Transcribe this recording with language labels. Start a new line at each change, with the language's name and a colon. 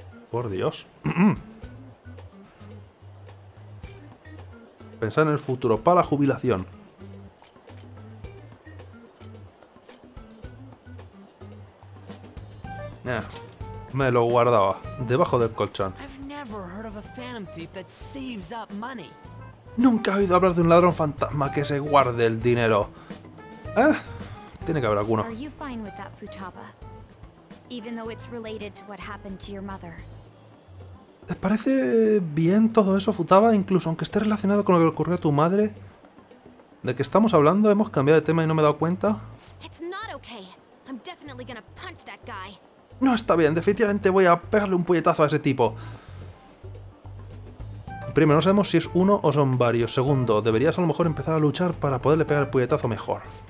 Spanish: Por Dios. Pensar en el futuro para la jubilación. Me lo guardaba debajo del colchón.
English: I've never heard of a phantom thief that saves up money.
Spanish: Nunca he oído hablar de un ladrón fantasma que se guarde el dinero. Tiene que haber alguno.
English: Are you fine with that, Futaba? Even though it's related to what happened to your mother.
Spanish: ¿Te parece bien todo eso, Futaba? Incluso aunque esté relacionado con lo que le ocurrió a tu madre. ¿De qué estamos hablando? ¿Hemos cambiado de tema y no me he dado cuenta?
English: It's not okay. I'm definitely gonna punch that guy.
Spanish: No está bien, definitivamente voy a pegarle un puñetazo a ese tipo. Primero, no sabemos si es uno o son varios. Segundo, deberías a lo mejor empezar a luchar para poderle pegar el puñetazo mejor.